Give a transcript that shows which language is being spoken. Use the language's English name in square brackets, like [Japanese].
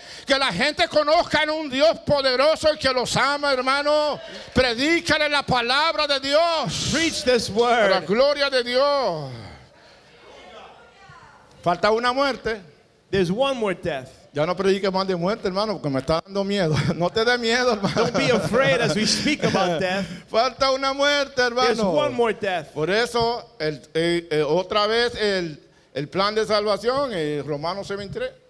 [Spanish] Que la gente conozca en un Dios poderoso y que los ama, hermano. Predícale la palabra de Dios. [English] Preach this word. [Spanish] La gloria de Dios. Falta una muerte. [English] There's one more death. [Spanish] Ya no predique más de muerte, hermano, porque me está dando miedo. No te dé miedo, hermano. [English] Don't be afraid as we speak about death. [Spanish] Falta una muerte, hermano. [English] There's one more death. [Spanish] Por eso, otra vez, el plan de salvación es Romanos 7:3.